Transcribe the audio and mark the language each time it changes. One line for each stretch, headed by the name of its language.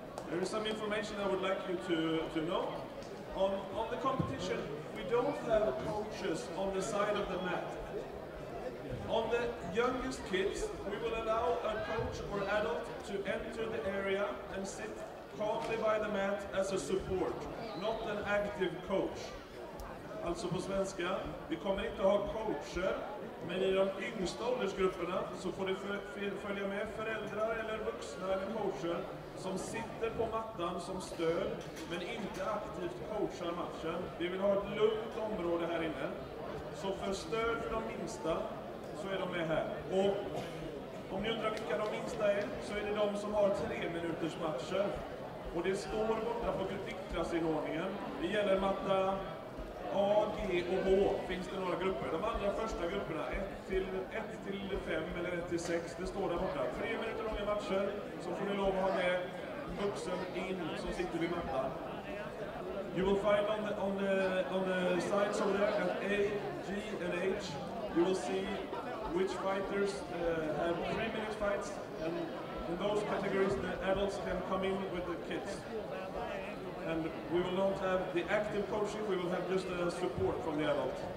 English: There is some information I would like you to know. On the competition, we don't have coaches on the side of the mat. On the youngest kids, we will allow a coach or adult to enter the area and sit calmly by the mat as a support, not an active coach.
Swedish: Alltså på svenska, vi kommer inte ha coacher, men i de yngsta åldersgrupperna så får det följa med föräldrar eller vuxna eller coacher som sitter på mattan som stöd, men inte aktivt coachar matchen. Vi vill ha ett lugnt område här inne, så för stöd för de minsta, så är de med här. Och om ni undrar vilka de minsta är, så är det de som har 3-minuters matcher. Och det står borta på gruppklassinordningen. Det gäller matta A, G och H. Finns det några grupper? De allra första grupperna, 1-5 eller 1-6, det står där borta. 3 minuter långa matcher, så får ni lov att ha med vuxen in som sitter vid mattan.
English: You will find on the sides over there at A, G and H, you will see which fighters have 3-minute fights, and in those categories the adults can come in with the kids. And we will not have the active coaching, we will have just the support from the adult.